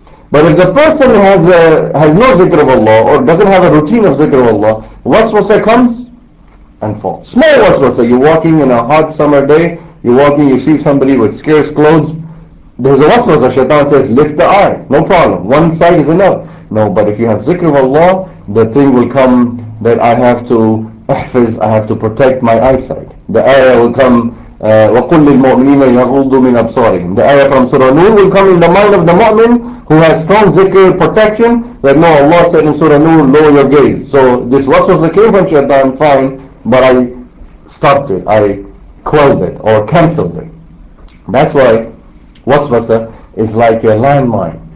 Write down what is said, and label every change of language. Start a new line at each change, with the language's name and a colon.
English: But if the person has no zikr of Allah or doesn't have a routine of zikr of Allah, waswasa comes and falls. Small waswasa, you're walking in a hot summer day, you're walking, you see somebody with scarce clothes, there's a waswasa, shaitan says, lift the eye, no problem, one side is enough. No, but if you have zikr of Allah, the thing will come that I have to
Arabic: احفظ,
English: I have to protect my eyesight. The ayah will come,
Arabic: وَقُلْ لِلْمُؤْمِنِينَ يَغُضُّوا مِنْ أَبْصَارِهِمْ.
English: The ayah from Surah Nur will come in the mind of the mu'min who has strong zikr protection, that no, Allah said in Surah Nur, lower your gaze. So this waswasa came from shaitan, fine, but I stopped it, I quelled it or cancelled it. That's why waswasa is like a landmine.